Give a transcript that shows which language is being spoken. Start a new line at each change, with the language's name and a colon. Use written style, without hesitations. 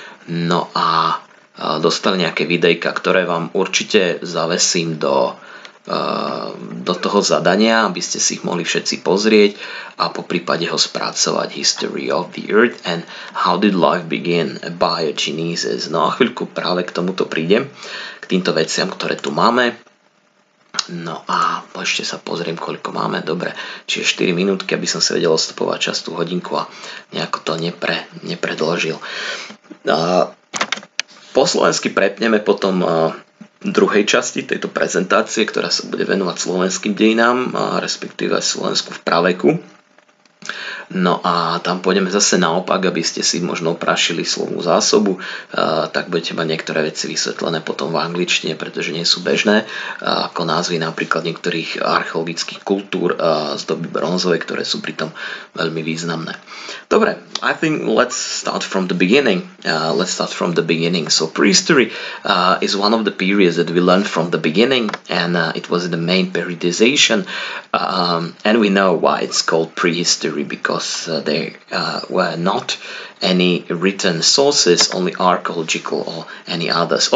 Slovak: No a dostal nejaké videjka, ktoré vám určite zavesím do toho zadania, aby ste si ich mohli všetci pozrieť a po prípade ho spracovať.
English: History of the Earth and How Did Life Begin? Biogenesis.
Slovak: No a chvíľku práve k tomuto prídem, k týmto veciam, ktoré tu máme. No a ešte sa pozriem, koľko máme. Dobre, čiže 4 minútky, aby som sa vedel ostopovať čas tú hodinku a nejako to nepredložil. Po slovensky prepneme potom druhej časti tejto prezentácie, ktorá sa bude venovať slovenským dejinám, respektíve Slovensku v praveku. No a tam pôjdeme zase naopak, aby ste si možno oprašili slovnú zásobu, tak budete mať niektoré veci vysvetlené potom v angličtine, pretože nie sú bežné, ako názvy napríklad niektorých archeologických kultúr z doby bronzovej, ktoré sú pritom veľmi významné.
English: Dobre, I think let's start from the beginning. So prehistory is one of the periods that we learned from the beginning, and it was the main periodization, and we know why it's called prehistory, because there were not any written sources, only archaeological or any others.